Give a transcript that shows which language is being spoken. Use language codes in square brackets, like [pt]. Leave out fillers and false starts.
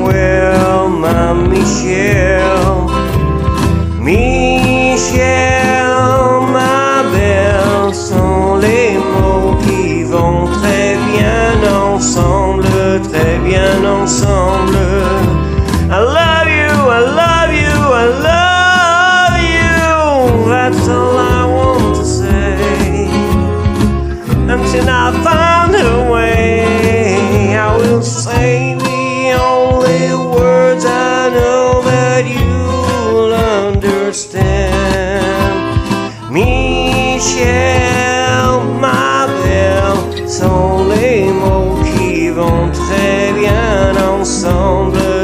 [en] Well, my [fr] Michelle, Michelle, ma belle, sont les mots qui vont très bien ensemble, très bien ensemble. [en] I love you, I love you, I love you. That's all I want to say. Until I find a way, I will say the only words I know that you'll understand. [fr] Michelle, ma belle, sont les mots qui vont très bien ensemble.